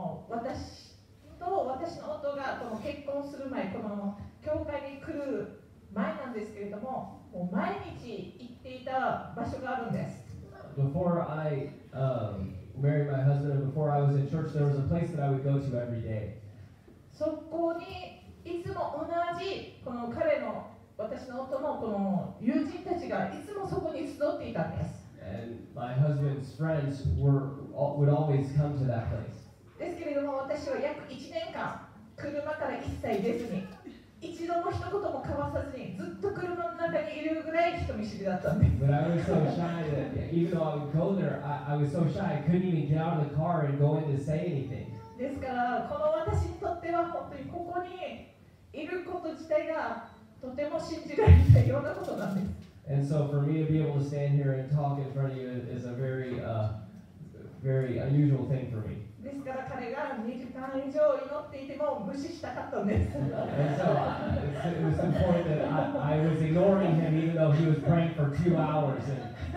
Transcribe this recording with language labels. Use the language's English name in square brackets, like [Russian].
[Japanese] 私と私の夫がこの結婚する前、この教会に来る前なんですけれども、もう毎日行っていた場所があるんです。 [English] Before I married my husband, and before I was in church, there was a place that I would go to every day. [Japanese] そこにいつも同じこの彼の私の夫のこの友人たちがいつもそこに集っていたんです。 [English] And my husband's friends would always come to that place. [Japanese] ですけれども私は約1年間車から一切出ずに一度も一言も交わさずにずっと車の中にいるぐらい人見知りだったんです。 [English] But I was so shy that even though I would go there, I was so shy I couldn't even get out of the car and go in to say anything. [Japanese] ですからこの私にとっては本当にここにいること自体がとても信じられないようなことなんです。 [English] And so for me to be able to stand here and talk in front of you is a very, very unusual thing for me. [Japanese] ですから彼が2時間以上祈っていても無視したかったんです。 [English] And so it was important that I was ignoring him even though he was praying for 2 hours and